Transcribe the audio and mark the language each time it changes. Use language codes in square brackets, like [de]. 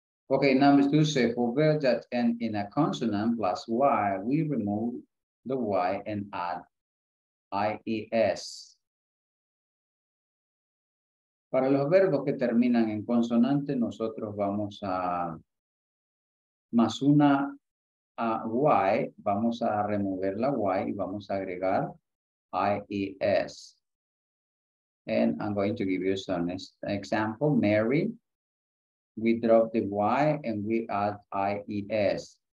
[en] Ok, number two, say, for verbs that end in a consonant plus Y, we remove the Y and add IES. [es] Para los verbos que terminan en consonante, nosotros vamos a más una Y, vamos a remover la Y y vamos a agregar IES. [en] And I'm going to give you some example. Mary, we drop the Y and we add IES.